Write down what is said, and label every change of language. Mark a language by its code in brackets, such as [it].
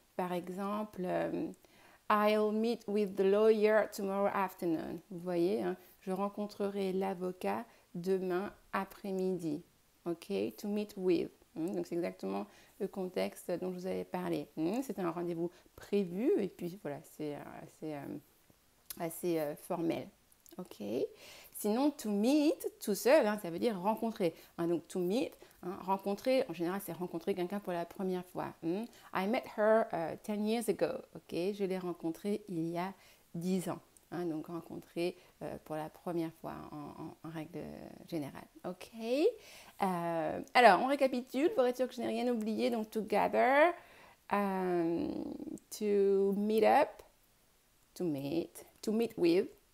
[fr] Par exemple, [en] I'll meet with the lawyer tomorrow afternoon. [fr] Vous voyez, hein, je rencontrerai l'avocat demain après-midi. Ok, [en] to meet with. [fr] Donc, c'est exactement le contexte dont je vous avais parlé. C'était un rendez-vous prévu et puis voilà, c'est assez formel. Ok, sinon, to meet tout seul, hein, ça veut dire rencontrer. Hein, donc, to meet, hein, rencontrer, en général, c'est rencontrer quelqu'un pour la première fois. [en] I met her 10 years ago. [fr] Ok, je l'ai rencontrée il y a 10 ans. Hein, donc, rencontrer pour la première fois en règle générale. Ok. Alors, on récapitule pour être sûr que je n'ai rien oublié. [en] Donc, together, to meet up, to meet with.